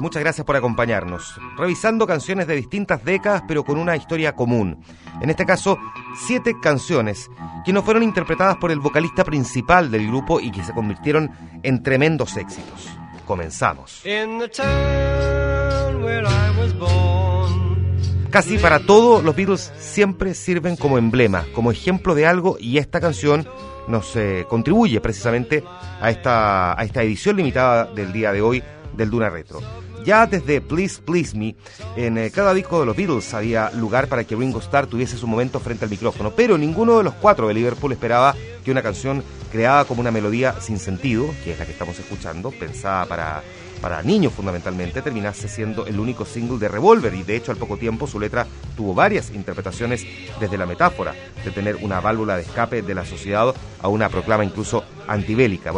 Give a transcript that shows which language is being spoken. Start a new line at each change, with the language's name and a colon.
Spanish: Muchas gracias por acompañarnos. Revisando canciones de distintas décadas, pero con una historia común. En este caso, 7 canciones que no fueron interpretadas por el vocalista principal del grupo y que se convirtieron en tremendos éxitos. Comenzamos.
English: In the town where I was born.
Spanish: Casi para todo, los Beatles siempre sirven como emblema, como ejemplo de algo, y esta canción nos contribuye precisamente a esta edición limitada del día de hoy del Duna Retro. Ya desde Please Please Me, en cada disco de los Beatles había lugar para que Ringo Starr tuviese su momento frente al micrófono, pero ninguno de los 4 de Liverpool esperaba que una canción creada como una melodía sin sentido, que es la que estamos escuchando, pensada para niños fundamentalmente, terminase siendo el único single de Revolver, y de hecho al poco tiempo su letra tuvo varias interpretaciones, desde la metáfora de tener una válvula de escape de la sociedad a una proclama incluso antibélica.